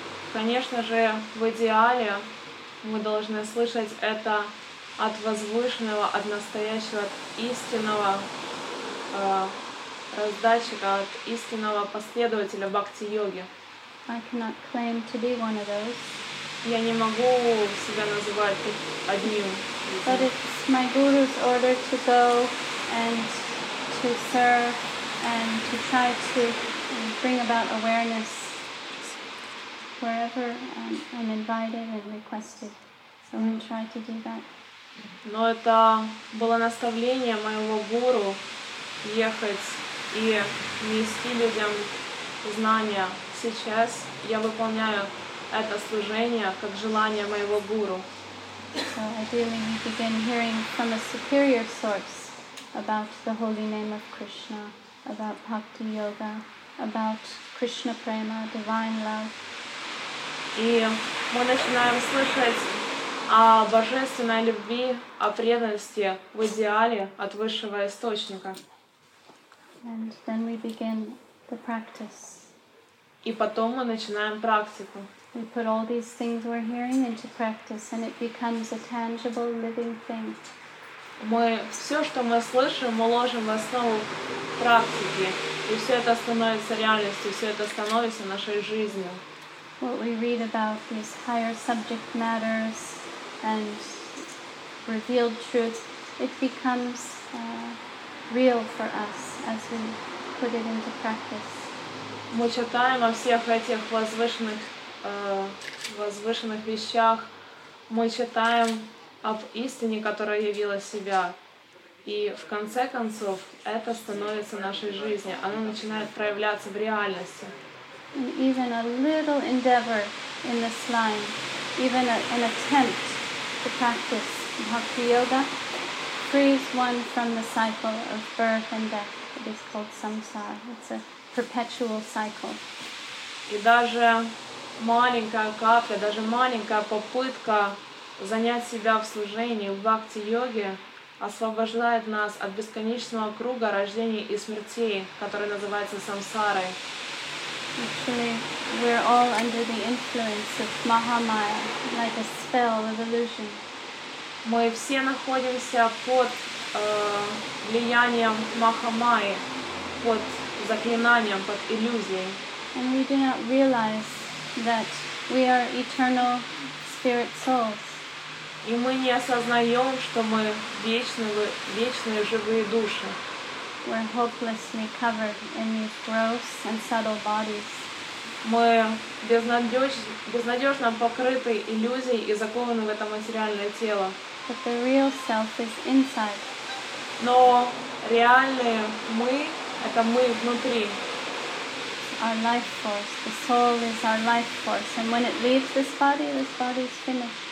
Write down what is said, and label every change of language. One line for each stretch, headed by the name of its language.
Russian: Конечно же, в идеале мы должны слышать это от возвышенного, от настоящего, от истинного раздатчика, от истинного последователя бхакти йоги.
English: I cannot claim to be one of those.
Russian: Я не могу себя называть одним.
English: But it's my guru's order to go and to serve and to try to bring about awareness wherever I'm invited and requested. So I'm going to try to do that.
Russian: Но это было наставление моего гуру ехать и нести людям знания. Сейчас я выполняю это служение как желание моего гуру.
English: So ideally you begin hearing from a superior source about the holy name of Krishna, about bhakti yoga, about Krishna prema, divine love.
Russian: И мы начинаем слышать о божественной любви, о преданности в идеале от высшего источника.
English: And then we begin the practice.
Russian: И потом мы начинаем практику.
English: We put all these things we're hearing into practice and it becomes a tangible living thing.
Russian: Мы все, что мы слышим, мы ложим в основу практики, и все это становится реальностью, все это становится нашей жизнью.
English: What we read about these higher subject matters and revealed truths, it becomes real for us as we put it into practice.
Russian: Мы читаем о всех этих возвышенных вещах, мы читаем об истине, которая явила себя. И в конце концов, это становится нашей жизнью. Оно начинает проявляться в реальности.
English: And even a little endeavor in this line, even an attempt to practice bhakti yoga, frees one from the cycle of birth and death. It is called samsara. It's a perpetual cycle.
Russian: И даже маленькая капля, даже маленькая попытка занять себя в служении, в бхакти-йоге, освобождает нас от бесконечного круга рождений и смертей, который называется самсарой.
English: Actually, we're all under the influence of Mahamaya, like a spell of illusion.
Russian: Мы все находимся под влиянием Махамайи, под заклинанием, под иллюзией.
English: And we do not realize that we are eternal spirit souls.
Russian: И мы не осознаем, что мы вечные живые души.
English: We're hopelessly covered in these gross and subtle bodies.
Russian: Мы безнадежно покрыты иллюзией и закованы в это материальное тело.
English: But the real self is inside.
Russian: Но реальные мы — это мы внутри.
English: Our life force, the soul is our life force. And when it leaves this body is finished.